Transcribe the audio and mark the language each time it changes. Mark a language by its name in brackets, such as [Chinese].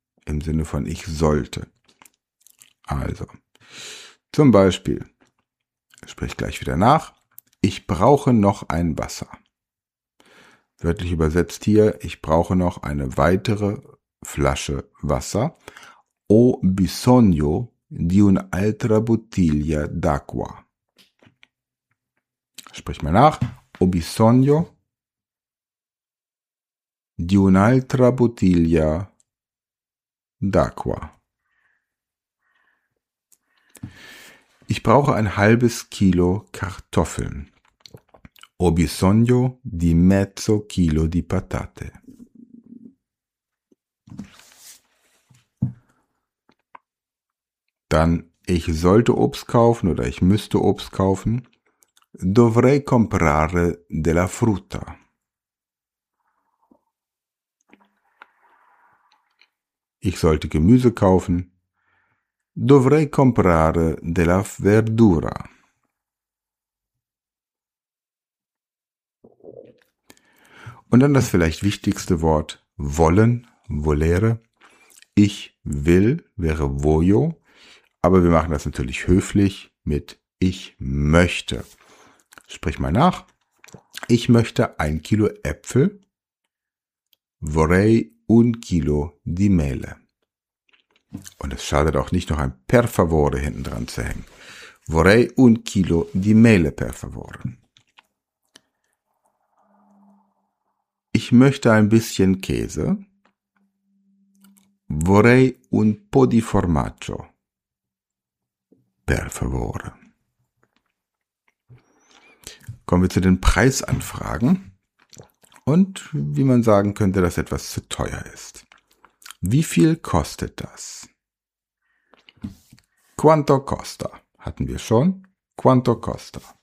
[German] Im Sinne von ich sollte. Also, zum Beispiel, sprich gleich wieder nach. Ich brauche noch ein Wasser. Wörtlich übersetzt hier, ich brauche noch eine weitere Flasche Wasser. [Italian] Ho bisogno di un'altra bottiglia d'acqua. [German] Sprich mal nach. [Italian] Ho bisogno di un'altra bottiglia d'acqua. [German] Ich brauche ein halbes Kilo Kartoffeln. [Italian] Ho bisogno di mezzo chilo di patate. [German] Dann, ich sollte Obst kaufen oder ich müsste Obst kaufen. [Italian] Dovrei comprare della frutta. [German] Ich sollte Gemüse kaufen. [Italian] Dovrei comprare della verdura. [German] Und dann das vielleicht wichtigste Wort, wollen, volere. Ich will, wäre voglio. Aber wir machen das natürlich höflich mit ich möchte. Sprich mal nach. Ich möchte ein Kilo Äpfel. [Italian] Vorrei un chilo di mele. [German] Und es schadet auch nicht, noch ein [Italian] per favore [German] hinten dran zu hängen. [Italian] Vorrei un chilo di mele per favore. [German] Ich möchte ein bisschen Käse. [Italian] Vorrei un po' di formaggio. Per favore. [German] Kommen wir zu den Preisanfragen und wie man sagen könnte, dass etwas zu teuer ist. Wie viel kostet das? [Italian] Quanto costa? [German] Hatten wir schon. [Italian] Quanto costa?